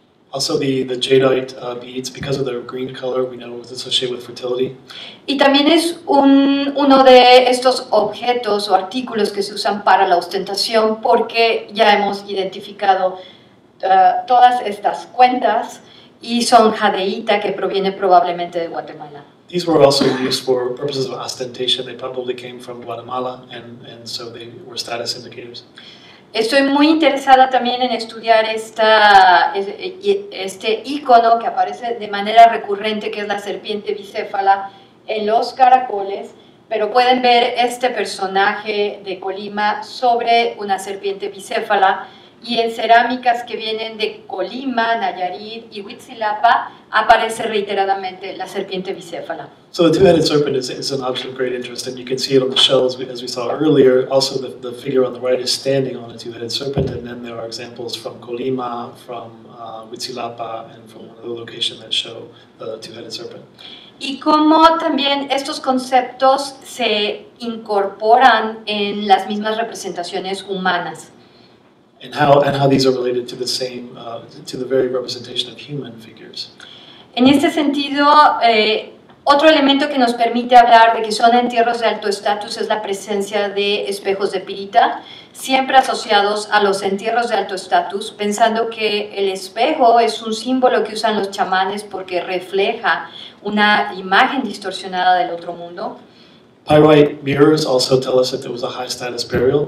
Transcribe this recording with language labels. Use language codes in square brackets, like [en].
[en] Also the jadeite beads, because of their green color, we know it's associated with fertility. [es] Y también es uno de estos objetos o artículos que se usan para la ostentación porque ya hemos identificado todas estas cuentas y son jadeíta que proviene probablemente de Guatemala. [en] These were also used for purposes of ostentation. They probably came from Guatemala, and so they were status indicators. [es] Estoy muy interesada también en estudiar este icono que aparece de manera recurrente, que es la serpiente bicéfala en los caracoles, pero pueden ver este personaje de Colima sobre una serpiente bicéfala. Y en cerámicas que vienen de Colima, Nayarit y Huitzilapa aparece reiteradamente la serpiente bicéfala. [en] So the two-headed serpent is an object of great interest, and you can see it on the shells as we saw earlier. Also, the figure on the right is standing on a two-headed serpent, and then there are examples from Colima, from Huitzilapa, and from another location that show the two-headed serpent. [es] Y cómo también estos conceptos se incorporan en las mismas representaciones humanas. [en] And how these are related to the same to the very representation of human figures. [es] En este sentido, otro elemento que nos permite hablar de que son entierros de alto estatus es la presencia de espejos de pirita, siempre asociados a los entierros de alto estatus, pensando que el espejo es un símbolo que usan los chamanes porque refleja una imagen distorsionada del otro mundo. [en] Pyrite mirrors also tell us that there was a high status burial.